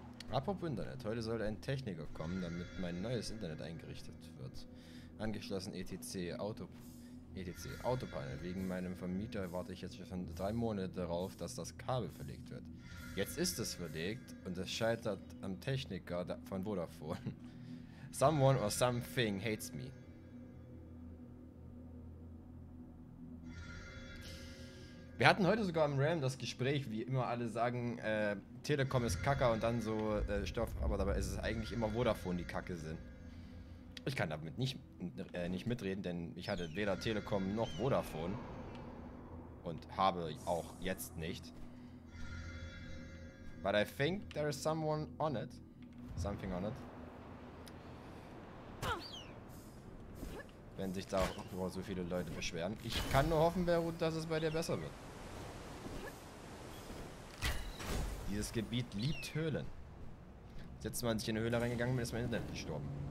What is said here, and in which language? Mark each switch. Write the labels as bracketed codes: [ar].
[de] Apropos Internet, heute soll ein Techniker kommen, damit mein neues Internet eingerichtet wird. Angeschlossen ETC Autopanel. Wegen meinem Vermieter warte ich jetzt schon 3 Monate darauf, dass das Kabel verlegt wird. Jetzt ist es verlegt und es scheitert am Techniker von Vodafone. [en] Someone or something hates me. [de] Wir hatten heute sogar im RAM das Gespräch, wie immer alle sagen, Telekom ist Kacke und dann so Stoff, aber dabei ist es eigentlich immer Vodafone, die Kacke sind. Ich kann damit nicht mitreden, denn ich hatte weder Telekom noch Vodafone und habe auch jetzt nicht. [en] But I think there is someone on it. Something on it. [de] Wenn sich da auch so viele Leute beschweren. Ich kann nur hoffen, Beirut, dass es bei dir besser wird. Dieses Gebiet liebt Höhlen. Jetzt, wenn ich in eine Höhle reingegangen bin, ist mein Internet gestorben.